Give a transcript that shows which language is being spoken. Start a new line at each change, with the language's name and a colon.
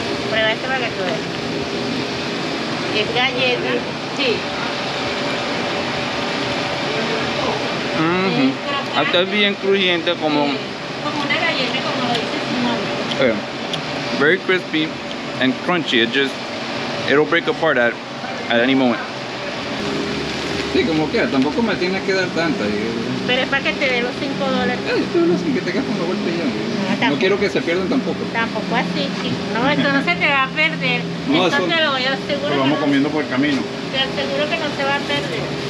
Spanish: Prueba este para que tú veas. Es galleta. Sí. Uh-huh. Está bien crujiente, como una galleta, como lo dice su nombre.
English: Very crispy and crunchy. It just, it'll break apart at any moment.
Spanish: Sí, como que tampoco me tiene que dar tanta. Pero es para que te dé los $5. Esto es así, que te gastes una vuelta ya. No quiero que se pierdan tampoco. Tampoco así, chico. No, esto no se te va a perder. No, esto te lo voy a asegurar. Lo vamos comiendo por el camino. Te aseguro que no se va a perder.